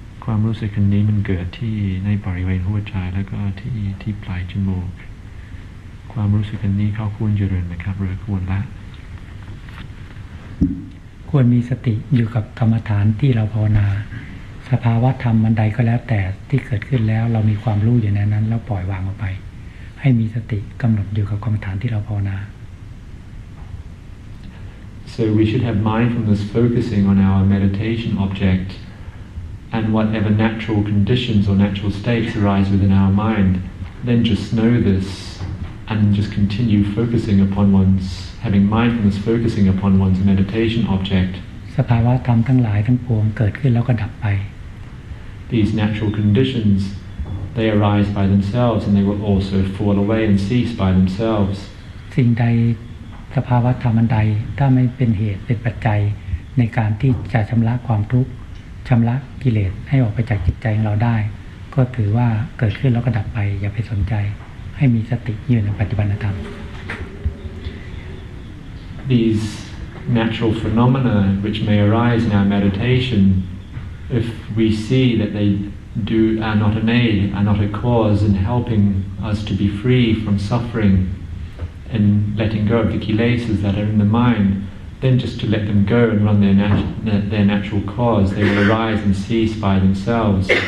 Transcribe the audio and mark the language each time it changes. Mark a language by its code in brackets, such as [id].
[th] ความรู้สึกนี้มันเกิดที่ในบริเวณหัวใจแล้วก็ที่ปลายจมูกความรู้สึกนี้เขาควรจะเรียนไหมครับหรือควรละ ควรมีสติอยู่กับกรรมฐานที่เราภาวนาสภาวะธรรมอันใดก็แล้วแต่ที่เกิดขึ้นแล้วเรามีความรู้อยู่ในนั้นแล้วปล่อยวางออกไปให้มีสติกำหนดอยู่กับกรรมฐานที่เราภาวนา [en] so we should have mindfulness focusing on our meditation objectand whatever natural conditions or natural states arise within our mind, then just know this and just continue focusing upon one's, having mindfulness focusing upon one's meditation object. [th] สภาวะธรรมทั้งหลายทั้งปวงเกิดขึ้นแล้วก็ดับไป [en] These natural conditions, they arise by themselves and they will also fall away and cease by themselves. [th] สิ่งใดสภาวะธรรมอันใดถ้าไม่เป็นเหตุเป็นปัจจัยในการที่จะชำระความทุกข์ชำระกิเลสให้ออกไปจากจิตใจของเราได้ก็ถือว่าเกิดขึ้นแล้วก็ดับไปอย่าไปสนใจให้มีสติอยู่ในปัจจุบันธรรม [en] These natural phenomena which may arise in our meditation if we see that they do are not an aid are not a cause in helping us to be free from suffering and letting go of the kilesas that are in the mindthen just to let them go and run their natural cause, they will arise and cease by themselves.